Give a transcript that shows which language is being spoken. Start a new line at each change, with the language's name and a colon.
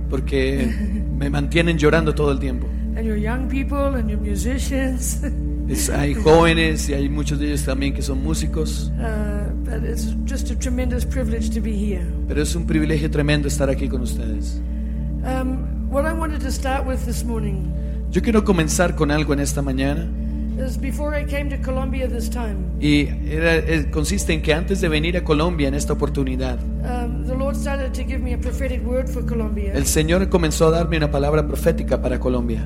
Spanish: Porque me mantienen llorando todo el tiempo.
English: And your young people and your musicians.
Spanish: Hay jóvenes y hay muchos de ellos también que son músicos.
English: But it's just a tremendous privilege to be here.
Spanish: Pero es un privilegio tremendo estar aquí con ustedes.
English: What I wanted to start with this morning.
Spanish: Yo quiero comenzar con algo en esta mañana.
English: Is before I came to Colombia this time.
Spanish: Y consiste en que antes de venir a Colombia en esta oportunidad.
English: The Lord started to give me a prophetic word for Colombia.
Spanish: El Señor comenzó a darme una palabra profética para Colombia.